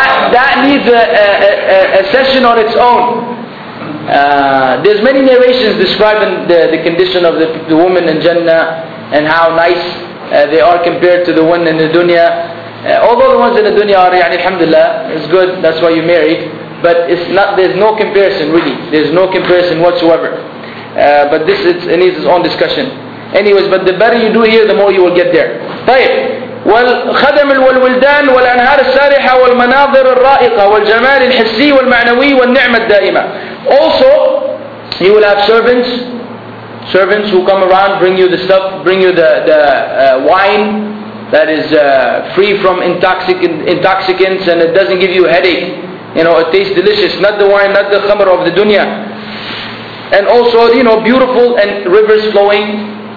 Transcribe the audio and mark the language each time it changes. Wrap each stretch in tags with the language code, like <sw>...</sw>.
<en>That needs a session on its own. There's many narrations describing the condition of the woman in Jannah and how nice they are compared to the one in the dunya. Although the ones in the dunya are, يعني, alhamdulillah, it's good, that's why you married. But it's not. There's no comparison, really. There's no comparison whatsoever. But this needs its own discussion. Anyways, but the better you do here, the more you will get there.</en> <ar>طيب والخدم والولدان والأنهار السارحة والمناظر الرائقة والجمال الحسي والمعنوي والنعمة الدائمة.</ar> <en>Also, you will have servants who come around, bring you the stuff, bring you the wine that is free from intoxicants and it doesn't give you a headache. You know, it tastes delicious. Not the wine, not the khamr of the dunya. And also, you know, beautiful and rivers flowing.</en>